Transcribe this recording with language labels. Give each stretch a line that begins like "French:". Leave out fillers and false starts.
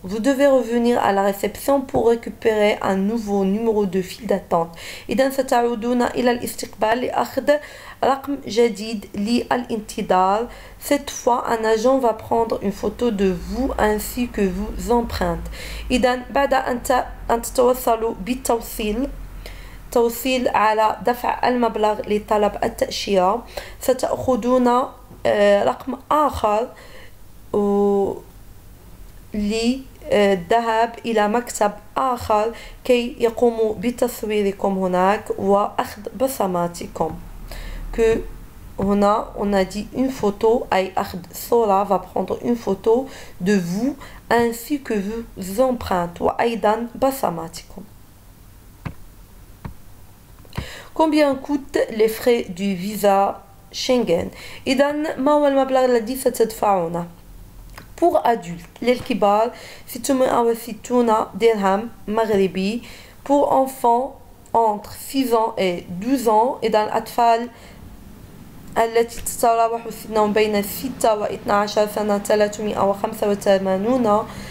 French: Vous devez revenir à la réception pour récupérer un nouveau numéro de file d'attente.
Arabic: إذن ستعودون إلى الاستقبال لأخذ رقم جديد للانتظار.
French: Cette fois, un agent va prendre une photo de vous ainsi que vos empreintes.
Arabic: إذن بعد أن تتوصلوا بالتوصيل توصيل على دفع المبلغ لطلب التأشيرة ستأخذون رقم آخر للذهاب إلى مكتب آخر كي يقوموا بتصويركم هناك وأخذ بصماتكم.
French: Que
Arabic: هنا
French: on a dit une photo
Arabic: أي أخذ صورة
French: va prendre une photo de vous ainsi que vos empreintes
Arabic: وأيضا بصماتكم.
French: Combien coûtent les frais du visa Schengen?
Arabic: إذن ما هو المبلغ الذي ستدفعونه؟
French: Pour adultes,
Arabic: للكبار 660 درهم مغربي.
French: Pour enfants entre 6 ans et 12 ans,
Arabic: إذن الأطفال التي تتراوح سنهم بين 6 و 12 سنة 385